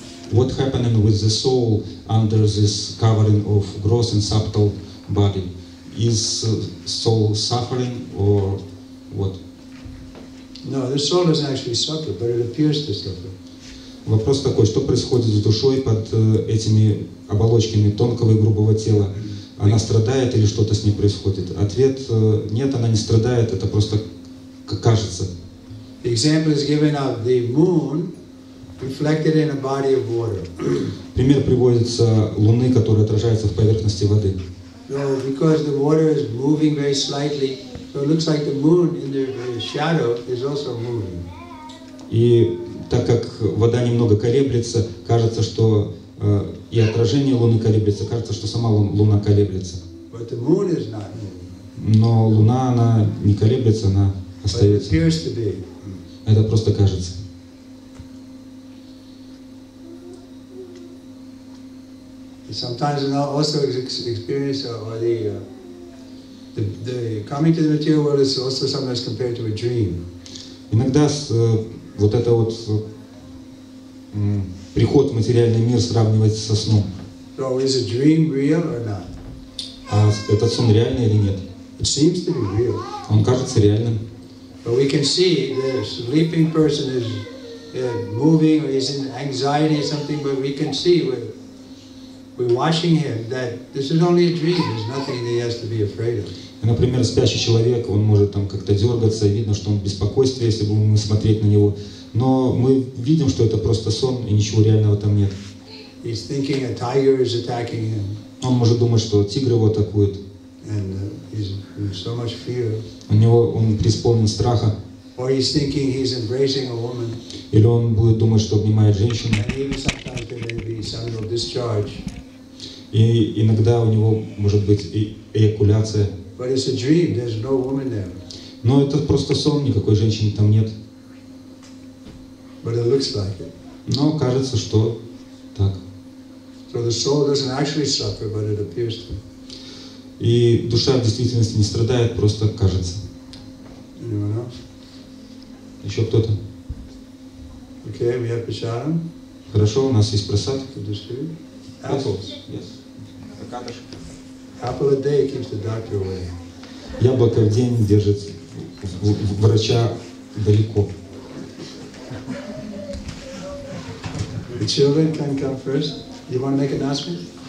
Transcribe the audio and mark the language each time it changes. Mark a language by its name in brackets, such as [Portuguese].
[English] What happening with the soul under this covering of gross and subtle body? Is soul suffering or what? No, the soul is actually suffering, but it appears to suffer. [Russian] Вопрос такой: что происходит с душой под этими оболочками тонкого и грубого тела? Она страдает или что-то с ней происходит? Ответ: нет, она не страдает. Это просто кажется. [English] The example is given of the moon. Reflected in a body of water. [Russian] Пример приводится луны, которая отражается в поверхности воды. [English] No, because the water is moving very slightly, so it looks like the moon in the shadow is also moving. [Russian] И так как вода немного колеблется, кажется, что и отражение луны колеблется, кажется, что сама луна колеблется. [English] But the moon is not moving. [Russian] Но луна, она не колеблется, она остается. [English] But it appears to be. [Russian] Это просто кажется. [English] Sometimes also experience or the coming to the material world is also sometimes compared to a dream. [Russian] Иногда вот это вот приход в материальный мир сравнивается со сном. [English] So is a dream real or not? [Russian] А этот сон реальный или нет? [English] It seems to be real. [Russian] Он кажется реальным. [English] But we can see the sleeping person is moving or is in anxiety or something, but we can see with we're watching him that this is only a dream. There's nothing that he has to be afraid of. [Russian] Например, спящий человек, он может там как-то дергаться, видно, что он в беспокойстве, если бы мы смотреть на него. Но мы видим, что это просто сон и ничего реального там нет. [English] He's thinking a tiger is attacking him. [Russian] Он может думать, что тигр его атакует. [English] And he's in so much fear. [Russian] Он преисполнен страха. [English] Or he's thinking he's embracing a woman. [Russian] Или он будет думать, что обнимает женщину. [English] And even sometimes there may be some little discharge. [Russian] И иногда у него может быть эякуляция. [English] But it's a dream. There's no woman there. [Russian] Но это просто сон, никакой женщины там нет. [English] But it looks like it. [Russian] Но кажется, что так. [English] So the soul doesn't actually suffer, but it appears to. [Russian] И душа в действительности не страдает, просто кажется. [English] Anyone else? [Russian] Еще кто-то? [English] Okay, we have prasadam. [Russian] Хорошо, у нас есть прасад. [English] Apples. Yes. Apple a day keeps the doctor away. [Russian] Яблоко в день держит врача далеко. [English] The children can come first. You want to make an announcement?